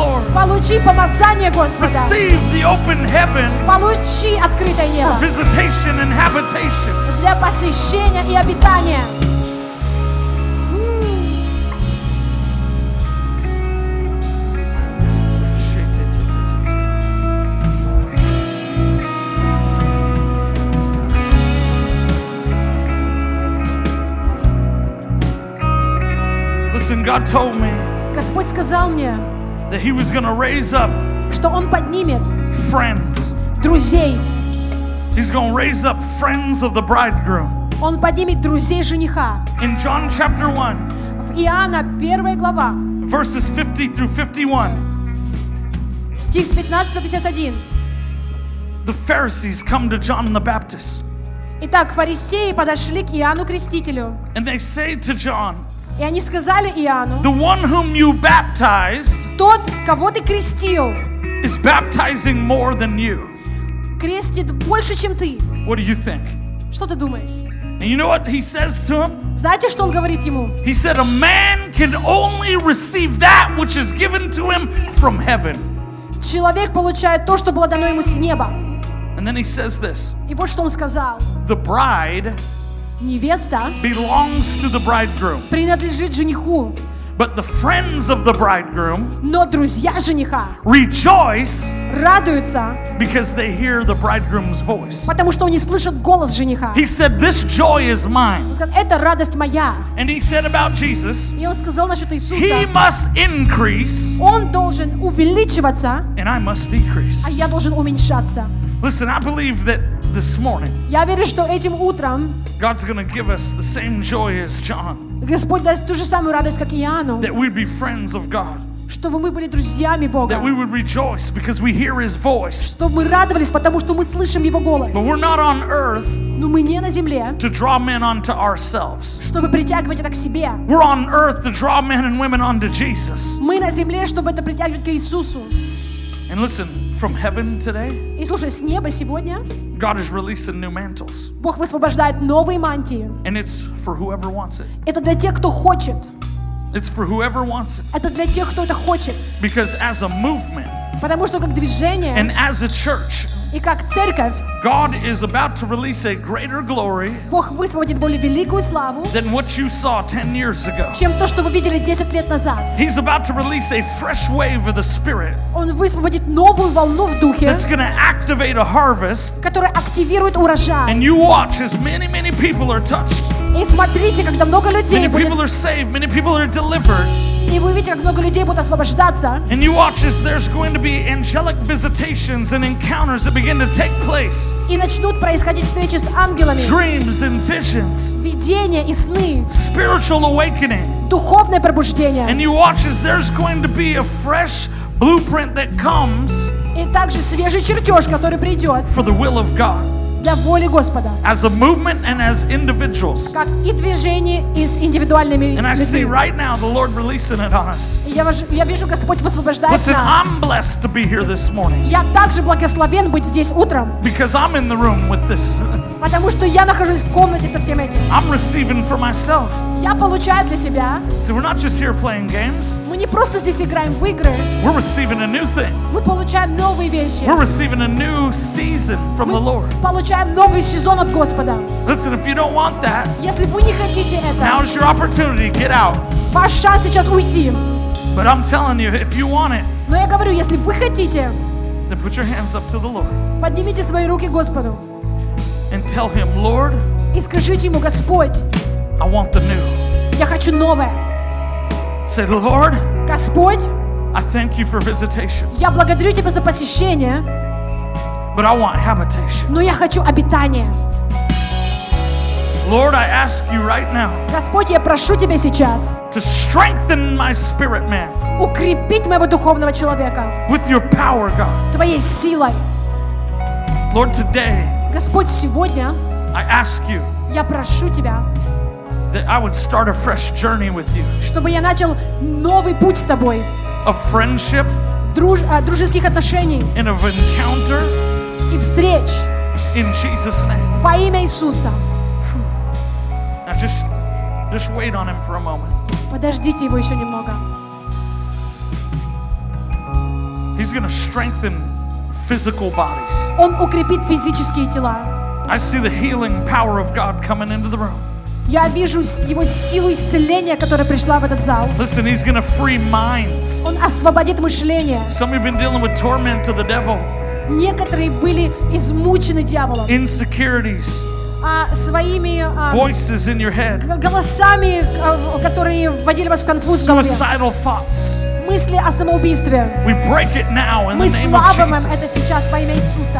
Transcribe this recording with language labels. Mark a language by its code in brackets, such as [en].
[en] Receive the open heaven for visitation and habitation. [ru] Для посещения и обитания. [en] Shit, it's God told me [ru] Господь сказал мне, [en] that He was going to raise up [ru] что Он поднимет [en] friends. [ru] Друзей. [en] He's going to raise up friends of the bridegroom. [ru] Он поднимет друзей жениха. [en] In John chapter 1, [ru] в Иоанна 1 глава, [en] verses 50 through 51, [ru] стих с 15 по 51, [en] the Pharisees come to John the Baptist. [ru] Итак, фарисеи подошли к Иоанну Крестителю. [en] And they say to John, [ru] и они сказали Иоанну, [en] the one whom you baptized, [ru] тот, кого ты крестил, [en] is baptizing more than you. [ru] Крестит больше, чем ты. [en] What do you think? [ru] Что ты думаешь? [en] And you know what he says to him? [ru] Знаете, что он говорит ему? [en] He said, a man can only receive that which is given to him from heaven. [ru] Человек получает то, что было дано ему с неба. [en] And then he says this. [ru] И вот что он сказал. [en] The bride, [ru] невеста, [en] belongs to the bridegroom. [ru] Принадлежит жениху. [en] But the friends of the bridegroom, [ru] но друзья жениха, [en] rejoice, [ru] радуются, [en] because they hear the bridegroom's voice. [ru] Потому что они слышат голос жениха. [en] He said, this joy is mine. [ru] Он сказал, это радость моя. [en] And he said about Jesus, [ru] и он сказал насчет Иисуса, [en] he must increase, [ru] он должен увеличиваться, [en] and I must decrease. [ru] А я должен уменьшаться. [en] Listen, I believe that this morning, [ru] я верю, что этим утром, [en] God's going to give us the same joy as John. [ru] Господь даст ту же самую радость, как Иоанну. [en] That we'd be friends of God. [ru] Чтобы мы были друзьями Бога. [en] That we would rejoice because we hear His voice. [ru] Чтобы мы радовались, потому что мы слышим Его голос. [en] But we're not on earth. [ru] Но мы не на земле. [en] To draw men unto ourselves. [ru] Чтобы притягивать это к себе. [en] We're on earth to draw men and women unto Jesus. [ru] Мы на земле, чтобы это притягивать к Иисусу. [en] And listen, from heaven today. [ru] И слушай, с неба сегодня. [en] God is releasing new mantles. [ru] Бог высвобождает новые мантии. [en] And it's for whoever wants it. [ru] Это для тех, кто хочет. [en] It's for whoever wants it. [ru] Это для тех, кто это хочет. [en] Because as a movement. [ru] Потому что как движение. [en] And as a church. [ru] И как церковь. [en] God is about to release a greater glory. [ru] Бог высвободит более великую славу. [en] Than what you saw 10 years ago. [ru] Чем то, что вы видели 10 лет назад. [en] He's about to release a fresh wave of the Spirit. [ru] Он высвободит новую волну в духе. [en] That's going to activate a harvest. [ru] Которая активирует урожай. [en] And you watch as many, many people are touched. [ru] И смотрите, когда много людей будет. [en] Many people are saved. Many people are delivered. [ru] И вы видите, как много людей будут освобождаться. [en] And you watch as there's going to be angelic visitations and encounters that begin to take place. [ru] И начнут происходить встречи с ангелами. [en] Dreams and visions. [ru] Видения и сны. [en] Spiritual awakening. [ru] Духовное пробуждение. [en] And you watch as there's going to be a fresh blueprint that comes. [ru] И также свежий чертеж, который придет. [en] For the will of God. [ru] Для воли Господа. [en] As a movement and as individuals. [ru] Как и движение, и с индивидуальными людьми. [en] And I see right now the Lord releasing it on us. [ru] Я вижу, Господь высвобождает нас. [en] Listen, I'm blessed to be here this morning. [ru] Я также благословен быть здесь утром. [en] Because I'm in the room with this. [ru] Потому что я нахожусь в комнате со всем этим. [en] I'm receiving for myself. [ru] Я получаю для себя. [en] So we're not just here playing games. [ru] Мы не просто здесь играем в игры. [en] We're receiving a new thing. [ru] Мы получаем новые вещи. [en] We're receiving a new season from the Lord. [ru] Мы получаем новый сезон от Господа. [en] Listen, if you don't want that, [ru] если вы не хотите это, [en] now's your opportunity. Get out. [ru] Ваш шанс сейчас уйти. [en] But I'm telling you, if you want it, [ru] но я говорю, если вы хотите, [en] then put your hands up to the Lord. [ru] Поднимите свои руки Господу. [en] And tell him, Lord, [ru] и скажите ему, Господь, [en] I want the new. [ru] Я хочу новое. [en] Say, Lord, [ru] Господь, [en] I thank you for visitation. [ru] Я благодарю тебя за посещение. [en] But I want habitation. [ru] Но я хочу обитание. [en] Lord, I ask you right now. [ru] Господь, я прошу тебя сейчас. [en] To strengthen my spirit man. [ru] Укрепить моего духовного человека. [en] With your power, God. [ru] Твоей силой. [en] Lord, today. [ru] Господь, сегодня [en] I ask you, [ru] я прошу тебя, [en] that I would start a fresh journey with you, [ru] чтобы я начал новый путь с тобой, [en] of friendship, [ru] дружеских отношений, [en] and of encounter, [ru] и встреч, [en] in Jesus' name, [ru] во имя Иисуса. [en] Now just wait on him for a moment. [ru] Подождите его еще немного. [en] He's going to strengthen physical bodies. [ru] Он укрепит физические тела. [en] I see the healing power of God coming into the room. [ru] Я вижу его силу исцеления, которая пришла в этот зал. [en] Listen, he's going to free minds. [ru] Он освободит мышление. [en] Some have been dealing with torment of the devil. [ru] Некоторые были измучены дьяволом. [en] Insecurities. [ru] своими [en] voices in your head. [ru] Голосами, которые вводили вас в конфуз. [en] Suicidal thoughts. [ru] Мысли о самоубийстве. [en] We break it now in [ru] Мы [en] the name of Jesus. [ru] Это сейчас во имя Иисуса.